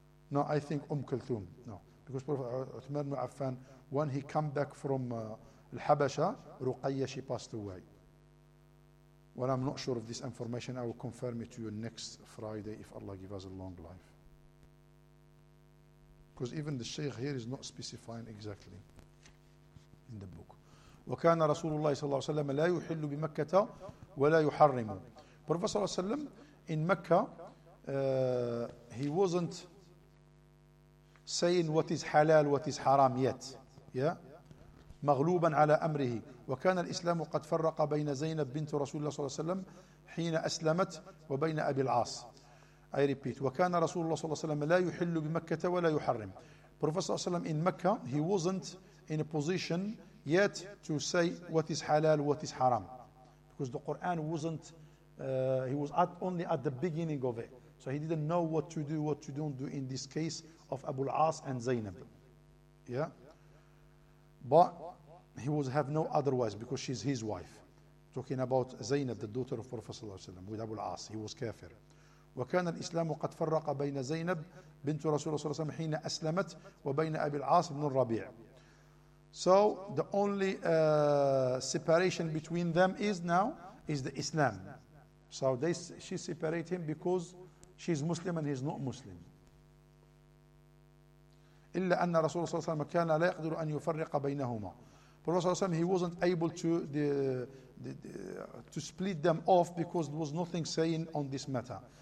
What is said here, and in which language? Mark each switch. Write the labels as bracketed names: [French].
[English] No, I think Umm Kulthum. No, because Prophet Uthman ibn Affan, when he come back from Al-Habasha, Ruqayya, she passed away. Well, I'm not sure of this information. I will confirm it to you next Friday if Allah gives us a long life. Because even the Shaykh here is not specifying exactly in the book. [Arabic] وَكَانَ رَسُولُ اللَّهِ صَلَّى اللَّهُ عَلَيْهِ وَسَلَّمَ لَا يُحِلُّ بِمَكَّةَ وَلَا يُحَرِّمُ. [English] Prophet ﷺ in Mecca, he wasn't saying what is halal, what is haram yet. [Arabic] Yeah. مغلوبا على أمره. وكان الإسلام قد فرق بين زينب بنت رسول الله صلى الله عليه وسلم حين أسلمت وبين أبي العاص. [English] I repeat. [Arabic] وكان رسول الله صلى الله عليه وسلم لا يحل بمكة ولا يحرم. [English] Prophet صلى الله عليه وسلم in Mecca, he wasn't in a position yet to say what is halal, what is haram. Because the Quran wasn't, he was at only at the beginning of it. So he didn't know what to do, what to don't do in this case of Abu al-As and Zainab. Yeah? But he was have no otherwise because she's his wife. Talking about Zainab, the daughter of Prophet صلى الله عليه وسلم, with Abu al-As. He was kafir. [Arabic] وكان الإسلام قد فرق بين زينب بنت رسول الله صلى الله عليه وسلم حين أسلمت وبين أبي العاص بن الربيع. [English] So the only separation between them is now is the Islam. So they she separate him because she's Muslim and he's not Muslim. [Arabic] إلا أن رسول الله صلى الله عليه وسلم كان لا يقدر أن يفرق بينهما. [English] But Rasul صلى الله عليه وسلم he wasn't able to to split them off because there was nothing saying on this matter.